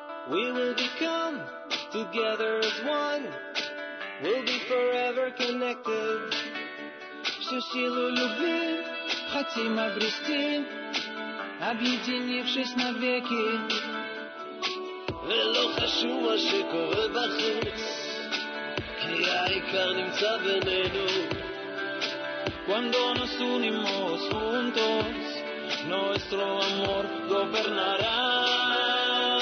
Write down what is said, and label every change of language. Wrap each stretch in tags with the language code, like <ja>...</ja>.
<en>We will become together as one. We'll be forever connected.</en> <ru>Всю любви хотим обрести, объединившись навеки.</ru> <he>ולא חשוב מה שקורה בחוץ, כי העיקר נמצא בינינו.</he> <es>Cuando nos unimos juntos, nuestro amor gobernará.</es>